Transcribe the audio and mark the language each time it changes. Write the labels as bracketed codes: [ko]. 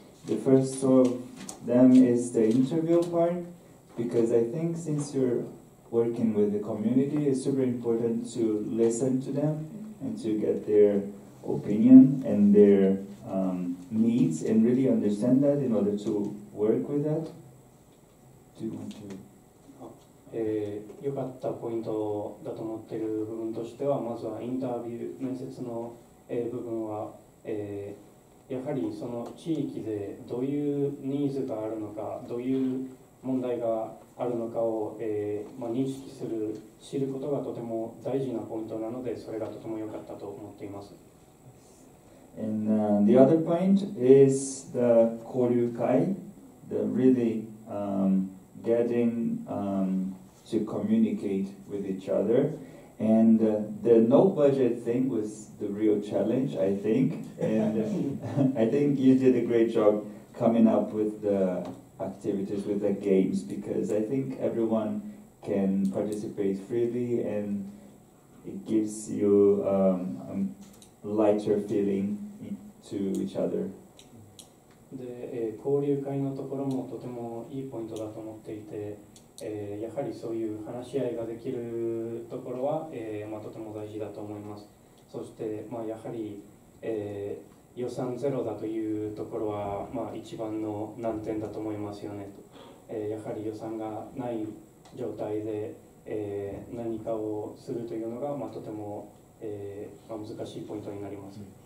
[en] The first of them is the interview part, because I think since you're working with the community, it's super important to listen to them and to get their opinion and their needs and really understand that in order to work with that. Do you want to? [ja] よかったポイントだと思っている部分としては、まずはインタビュー面接の部分は、やはりその地域でどういうニーズがあるのか、どういう問題があるのかを、認識する、知ることがとても大事なポイントなので、それがとても良かったと思っています。 [en] And, the other point is the 交流会、the really getting to communicate with each other. And the no budget thing was the real challenge, I think. And I think you did a great job coming up with the activities, with the games, because I think everyone can participate freely and it gives you a lighter feeling to each other. [ja] で、交流会のところもとてもいいポイントだと思っていて、やはりそういう話し合いができるところは、とても大事だと思います。そして、やはり、予算ゼロだというところは、一番の難点だと思いますよねと、やはり予算がない状態で、何かをするというのが、とても、難しいポイントになります。